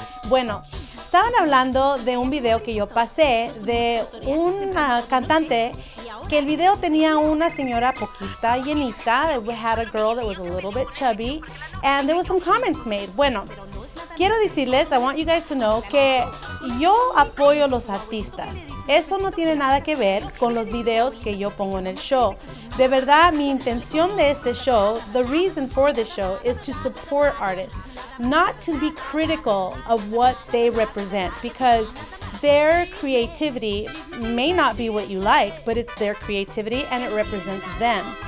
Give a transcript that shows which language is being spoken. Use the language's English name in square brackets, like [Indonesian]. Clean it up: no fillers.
[Spanish] Bueno, estaban hablando de un video que yo pasé de un cantante que el video tenía una señora poquita llenita. [English] We had a girl that was a little bit chubby, and there were some comments made. [Spanish] Bueno, quiero decirles, [English] I want you guys to know, [Spanish] que yo apoyo los artistas. Eso no tiene nada que ver con los videos que yo pongo en el show. De verdad, mi intención de este show, [English] the reason for this show, is to support artists, not to be critical of what they represent, because their creativity may not be what you like, but it's their creativity and it represents them.